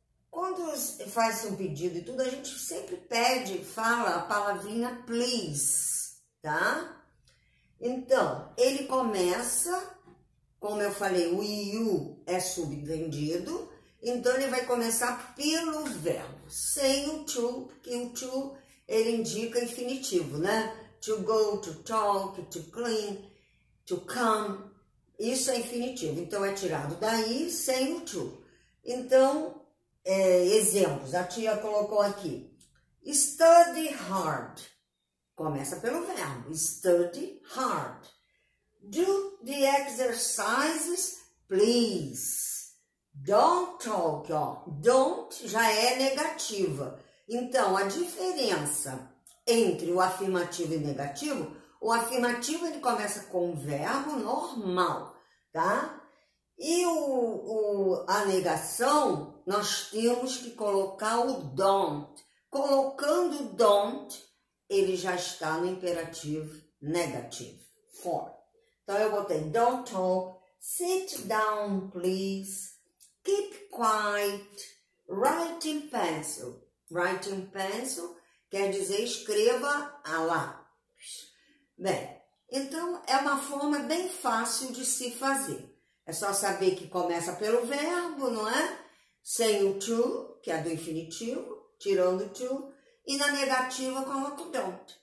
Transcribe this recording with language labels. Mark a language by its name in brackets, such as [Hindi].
[Portuguese] Quando faz um pedido e tudo, a gente sempre pede, fala a palavrinha please, tá? Então, ele começa, como eu falei, o you é subentendido. Então, ele vai começar pelo verbo, sem o to, porque o to ele indica infinitivo, né? [English] To go, to talk, to clean, to come. [Portuguese] Isso é infinitivo. Então, é tirado daí sem o to. Então, exemplos. A tia colocou aqui: [English] study hard. [Portuguese] Começa pelo verbo: [English] study hard. Do the exercises, please. Don't talk, [Portuguese] ó. Don't já é negativa. Então, a diferença entre o afirmativo e negativo, o afirmativo ele começa com um verbo normal, tá? E a negação, nós temos que colocar o don't. Colocando o don't, ele já está no imperativo negativo, for. Então, eu botei [English] don't talk, sit down, please. Keep quiet, writing pencil. Writing pencil [Portuguese] quer dizer escreva a lápis. Bem, então é uma forma bem fácil de se fazer. É só saber que começa pelo verbo, não é? Sem o to, que é do infinitivo, tirando o to, e na negativa coloca o don't.